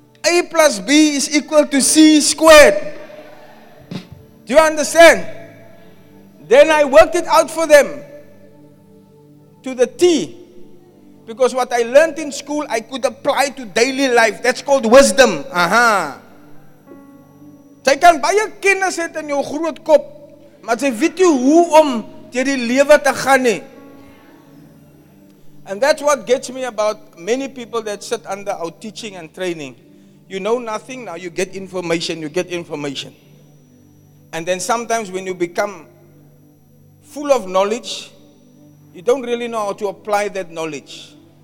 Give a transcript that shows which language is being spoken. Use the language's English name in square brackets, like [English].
[English] A plus B is equal to C squared. Do you understand? Then I worked it out for them to the T. Because what I learned in school, I could apply to daily life. That's called wisdom. [Afrikaans] Jy kan baie kennis het in jou groot kop, maar jy weet nie hoe om deur die lewe te gaan nie. [English] And that's what gets me about many people that sit under our teaching and training. You know nothing, now you get information, you get information. And then sometimes when you become full of knowledge, you don't really know how to apply that knowledge.